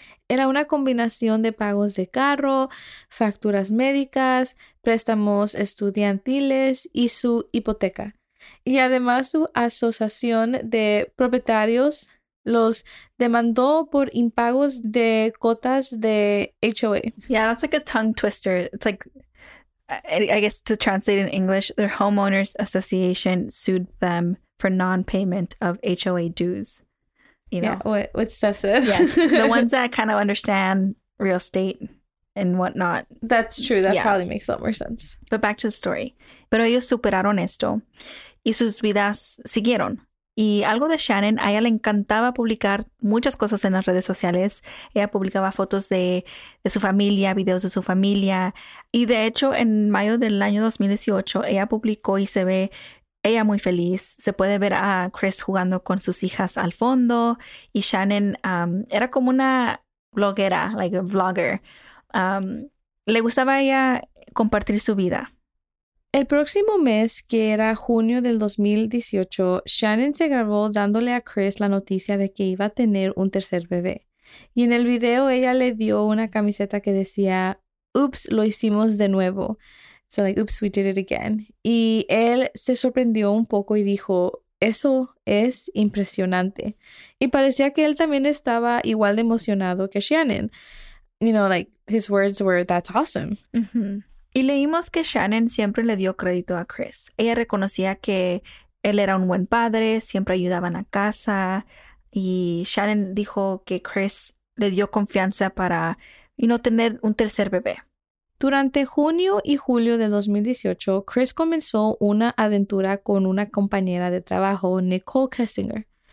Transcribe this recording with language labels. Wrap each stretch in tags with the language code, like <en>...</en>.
<es>Era una combinación de pagos de carro, facturas médicas, préstamos estudiantiles y su hipoteca. Y además su asociación de propietarios los demandó por impagos de cuotas de HOA.</es> <en>Yeah, that's like a tongue twister. It's like, I guess to translate in English, their homeowners association sued them for non-payment of HOA dues. What Steph said. Yes, the ones that kind of understand real estate and whatnot. That's true. That probably makes a lot more sense. But back to the story.</en> <es>Pero ellos superaron esto y sus vidas siguieron. Y algo de Shannon, a ella le encantaba publicar muchas cosas en las redes sociales. Ella publicaba fotos de su familia, videos de su familia. Y de hecho, en mayo del año 2018, ella publicó y se ve ella muy feliz. Se puede ver a Chris jugando con sus hijas al fondo. Y Shannon era como una bloguera,</es> <en>like a vlogger.</en> <es>Le gustaba a ella compartir su vida. El próximo mes, que era junio del 2018, Shannon se grabó dándole a Chris la noticia de que iba a tener un tercer bebé. Y en el video ella le dio una camiseta que decía, "Oops, lo hicimos de nuevo."</es> <en>So like, "Oops, we did it again."</en> <es>Y él se sorprendió un poco y dijo, "Eso es impresionante." Y parecía que él también estaba igual de emocionado que Shannon.</es> <en>You know, like, his words were, "That's awesome." Mm-hmm.</en> <es>Y leímos que Shannon siempre le dio crédito a Chris. Ella reconocía que él era un buen padre, siempre ayudaba en la casa. Y Shannon dijo que Chris le dio confianza para tener un tercer bebé. Durante junio y julio de 2018, Chris comenzó una aventura con una compañera de trabajo, Nicole Kessinger.</es>